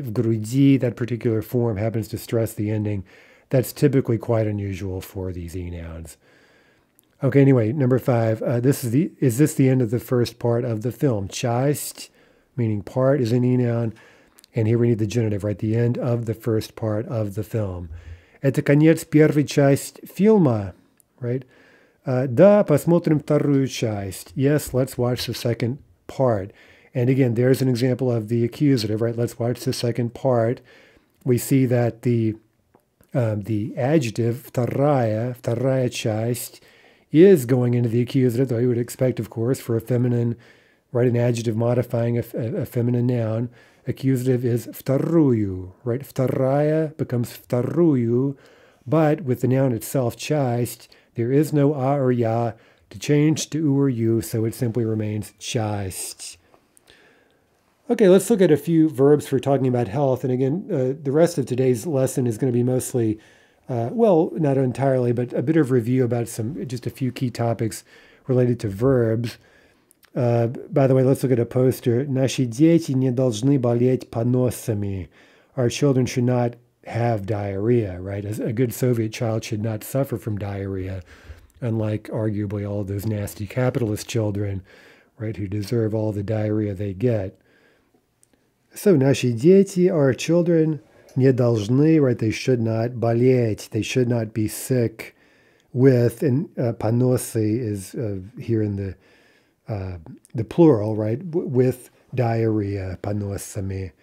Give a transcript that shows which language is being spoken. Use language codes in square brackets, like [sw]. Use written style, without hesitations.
[ru] В груди, [en] that particular form happens to stress the ending. That's typically quite unusual for these e-nouns. Okay, anyway, number five. Is this the end of the first part of the film? Часть, meaning part, is an e-noun. And here we need the genitive, right? The end of the first part of the film. [ru] Это конец первой части фильма, right? Да, посмотрим вторую часть. [en] Yes, let's watch the second part. And again, there's an example of the accusative, right? Let's watch the second part. We see that the adjective, [ru] вторая часть, [en] is going into the accusative, though you would expect, of course, for a feminine, right, an adjective modifying a feminine noun. Accusative is вторую, right? Вторая becomes вторую, but with the noun itself, часть, there is no а or я to change to у or ю, so it simply remains часть. Okay, let's look at a few verbs for talking about health. And again, the rest of today's lesson is going to be mostly, well, not entirely, but a bit of review about some, just a few key topics related to verbs. By the way, let's look at a poster. [ru] Наши дети не должны болеть поносами. [en] Our children should not have diarrhea, right? A good Soviet child should not suffer from diarrhea, unlike arguably all those nasty capitalist children, right, who deserve all the diarrhea they get. So, [ru] наши дети, [en] our children, [ru] не должны, [en] right, they should not болеть, they should not be sick with, and поносы is here in the plural, right, with diarrhea, поносами.